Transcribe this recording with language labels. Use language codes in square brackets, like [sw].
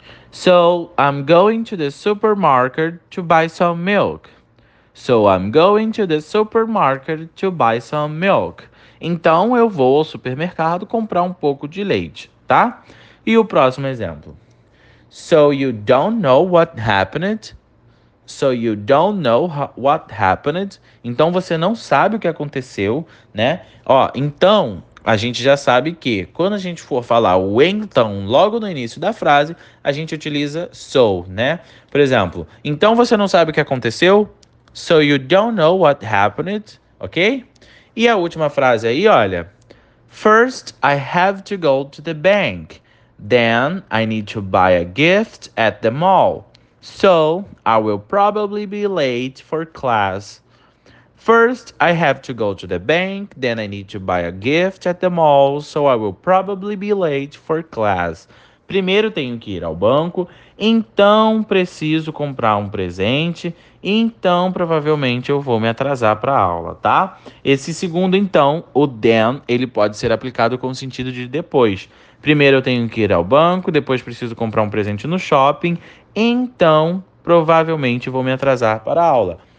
[en] So, I'm going to the supermarket to buy some milk. So, I'm going to the supermarket to buy some milk. [pt] Então, eu vou ao supermercado comprar um pouco de leite, tá? E o próximo exemplo. [en] So, you don't know what happened? So you don't know what happened. [pt] Então você não sabe o que aconteceu, né? Ó, então a gente já sabe que quando a gente for falar o então logo no início da frase, a gente utiliza so, né? Por exemplo, então você não sabe o que aconteceu? [en] So you don't know what happened, ok? [pt] E a última frase aí, olha. [en] First, I have to go to the bank. Then, I need to buy a gift at the mall. So, I will probably be late for class. First, I have to go to the bank, then I need to buy a gift at the mall, so I will probably be late for class. [pt] Primeiro tenho que ir ao banco, então preciso comprar um presente, então provavelmente eu vou me atrasar para a aula, tá? Esse segundo, então, o then, ele pode ser aplicado com o sentido de depois. Primeiro eu tenho que ir ao banco, depois preciso comprar um presente no shopping, então provavelmente vou me atrasar para a aula.